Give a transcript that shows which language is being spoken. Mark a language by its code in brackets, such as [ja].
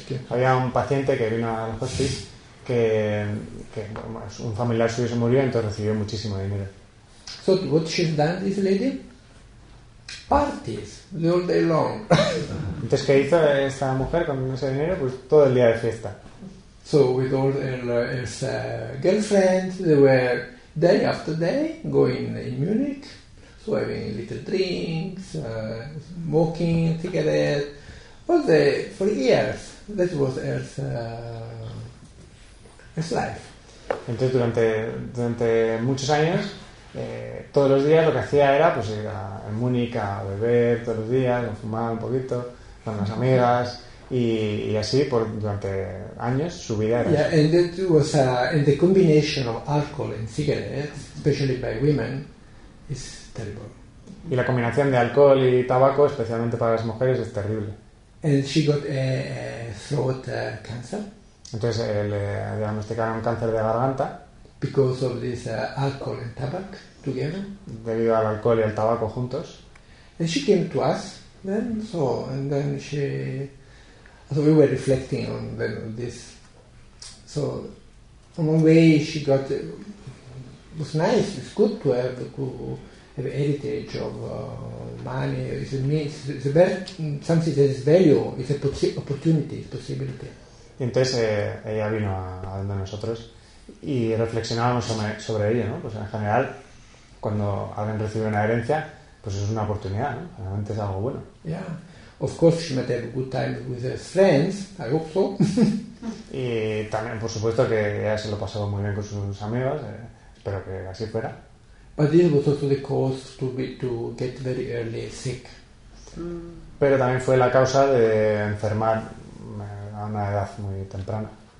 [es] Había un paciente que vino al hospice que un familiar suyo se murió, entonces recibió muchísimo dinero. [en] So what she's done, this lady? Parties all day long. [es] Entonces, ¿qué hizo esta mujer con ese dinero? Pues todo el día de fiesta. [en] So with all her girlfriends, they were day after day going in Munich, so having little drinks, smoking cigarettes. For years, that was Earth's life. [es] Entonces durante muchos años, todos los días lo que hacía era pues ir a Múnich a beber todos los días, a fumar un poquito con las amigas y así por durante años su vida era. [en] Yeah, and it was and the combination of alcohol and cigarettes, especially by women, is terrible. [es] Y la combinación de alcohol y tabaco, especialmente para las mujeres, es terrible. [en] And she got a throat cancer. [es] Entonces le diagnosticaron cáncer de garganta. [en] Because of this alcohol and tobacco together. [es] Debido al alcohol y al tabaco juntos. [en] And she came to us then, so, and then she, so we were reflecting on then this. So, in one way she got, it was nice, it's good to have the heritage of money, is a means, it's a something that is value, it's a opportunity, it's a possibility. [es] Y entonces ella vino a donde nosotros y reflexionábamos sobre ello, ¿no? Pues en general, cuando alguien recibe una herencia, pues es una oportunidad, ¿no? Realmente es algo bueno. [en] Yeah, of course she might have a good time with her friends, I hope so. [es] Y también, por supuesto, que ella se lo pasaba muy bien con sus amigos, espero que así fuera. [en] But this was also the cause to get very early sick. [es] Pero también fue la causa de enfermar a una edad muy temprana.